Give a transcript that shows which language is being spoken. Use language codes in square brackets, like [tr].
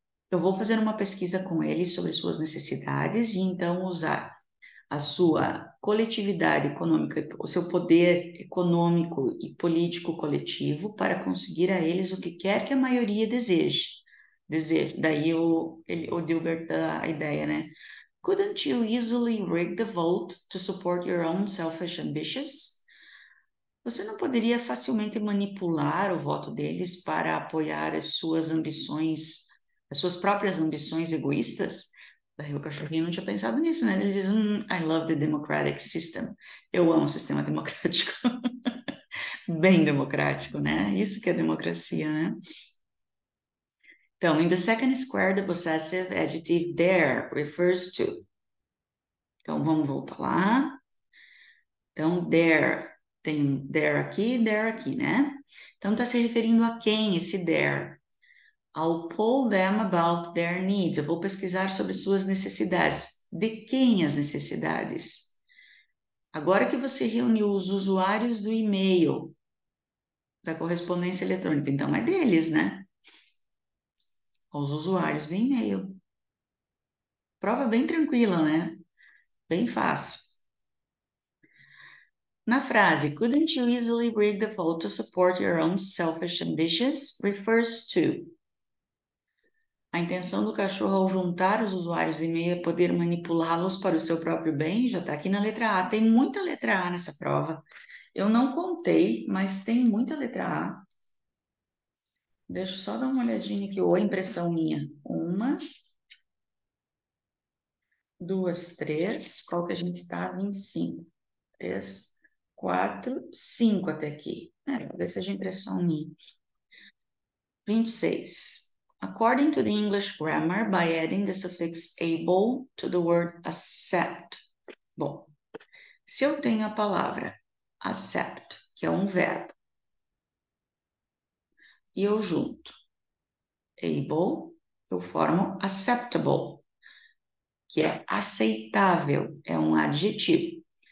[pt] Eu vou fazer uma pesquisa com eles sobre suas necessidades e então usar a sua coletividade econômica, o seu poder econômico e político coletivo para conseguir a eles o que quer que a maioria deseje. Daí o Dilbert dá a ideia, né? [en] Couldn't you easily rig the vote to support your own selfish ambitions? [pt] Você não poderia facilmente manipular o voto deles para apoiar as suas ambições, as suas próprias ambições egoístas? Daí o cachorrinho não tinha pensado nisso, né? Ele diz, [en] I love the democratic system. [pt] Eu amo o sistema democrático. Bem democrático, né? Isso que é democracia, né? Então, [en] in the second square, the possessive adjective there refers to. [pt] Então, vamos voltar lá. Então, there. Tem there aqui, né? Então, está se referindo a quem esse there? [en] I'll poll them about their needs. [pt] Eu vou pesquisar sobre suas necessidades. De quem as necessidades? Agora que você reuniu os usuários do e-mail, da correspondência eletrônica, então é deles, né? Aos usuários de e-mail. Prova bem tranquila, né? Bem fácil. Na frase, [en] couldn't you easily rig the vote to support your own selfish ambitions? Refers to. [pt] A intenção do cachorro ao juntar os usuários de e-mail é poder manipulá-los para o seu próprio bem, já está aqui na letra A. Tem muita letra A nessa prova. Eu não contei, mas tem muita letra A. Deixa eu só dar uma olhadinha aqui, ou a impressão minha. Uma, duas, três. Qual que a gente está? 25. Três, quatro, cinco até aqui. É, talvez seja a impressão minha. 26. [en] According to the English grammar, by adding the suffix able to the word accept. [pt] Bom, se eu tenho a palavra accept, que é um verbo, e eu junto able, eu formo acceptable, que é aceitável, é um adjetivo.